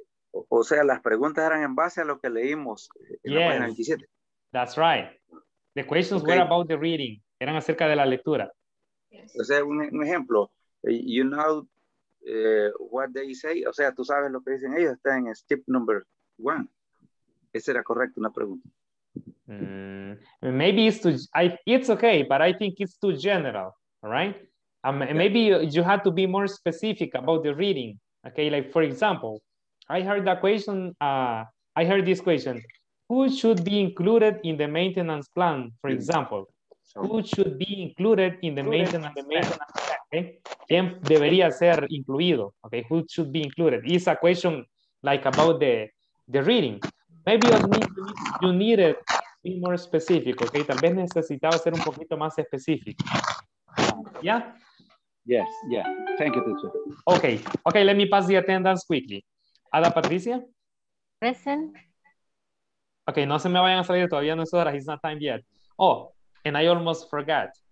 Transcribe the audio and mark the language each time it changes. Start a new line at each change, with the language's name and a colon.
Spanish: O sea, las preguntas eran en base a lo que leímos en la página 27.
English: That's right. The questions were about the reading.
Spanish: Eran acerca de la lectura.
English: Yes.
Spanish: O sea, un ejemplo.
English: You know what they say?
Spanish: O sea, tú sabes lo que dicen ellos. Está en
English: step number one.
Spanish: Esa era correcta una pregunta.
English: Maybe it's too, it's okay, but I think it's too general, all right? Maybe you have to be more specific about the reading, okay? Like, for example, I heard that question, I heard this question, who should be included in the maintenance plan, for example? Who should be included in the maintenance plan, okay?
Spanish: ¿Quién debería ser incluido,
English: okay? Who should be included? It's a question like about the reading. Maybe you need it to be more specific, okay?
Spanish: Tal vez necesitaba ser un poquito más específico.
English: Yeah? Yes, yeah. Thank you, teacher. Okay. Okay, let me pass the attendance quickly. Ada Patricia? Present. Okay,
Spanish: no se me vayan a salir todavía, no es hora,
English: it's not time yet. Oh, and I almost forgot.